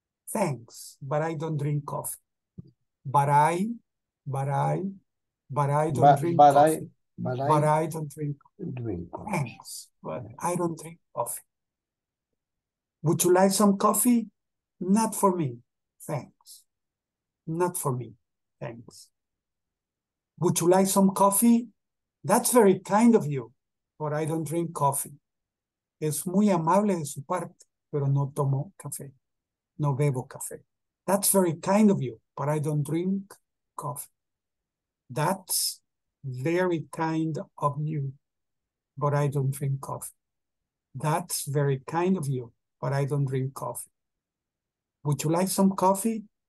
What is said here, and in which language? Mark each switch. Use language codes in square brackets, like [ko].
[en] Thanks, but I don't drink coffee. Thanks, but I don't drink coffee. Would you like some coffee? Not for me. Thanks. Not for me. Thanks. Would you like some coffee? That's very kind of you, but I don't drink coffee. [es] Es muy amable de su parte, pero no tomo café. No bebo café. [en] That's very kind of you, but I don't drink coffee. That's very kind of you, but I don't drink coffee. That's very kind of you, but I don't drink coffee. Would you like some coffee?